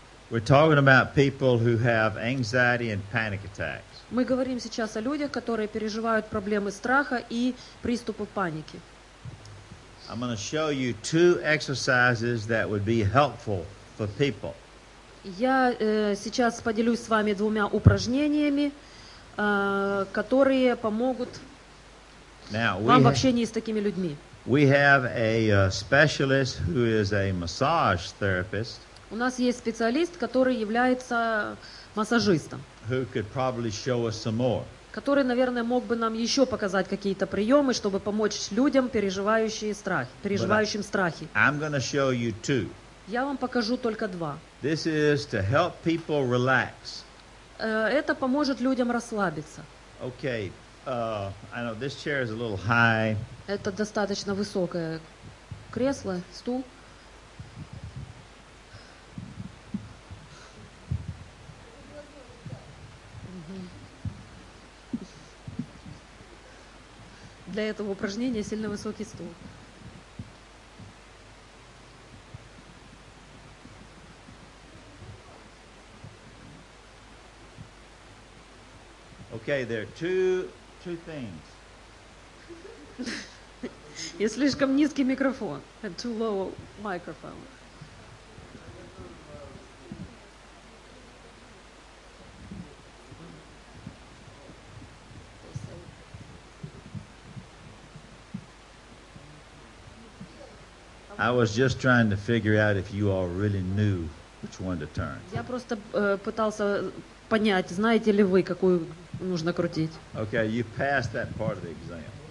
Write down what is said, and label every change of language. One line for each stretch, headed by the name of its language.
English: We're talking about people who have anxiety and panic attacks.
Russian: Мы говорим сейчас о людях, которые переживают проблемы страха и приступы паники.
English: I'm going to show you two exercises that would be helpful for people.
Russian: Я сейчас поделюсь с вами двумя упражнениями, которые помогут вам в общении с такими людьми.
English: We have a specialist who is a massage therapist.
Russian: У нас есть специалист, который является массажистом,
English: who could probably show us some more.
Russian: Который, наверное, мог бы нам еще показать какие-то приемы, чтобы помочь людям, переживающим страхи.
English: I'm going to show you two.
Russian: Я вам покажу только два.
English: This is to help people relax.
Russian: Это поможет людям расслабиться.
English: Okay, I know this chair is a little high.
Russian: Это достаточно высокое кресло, стул. Для этого упражнения сильно высокий стул.
English: Okay, there are two things.
Russian: И слишком низкий микрофон.
English: Too low microphone. I was just trying to figure out if you all really knew which one to turn.
Russian: Я просто пытался понять, знаете ли вы, какую нужно крутить.
English: Okay, you passed that part of the exam.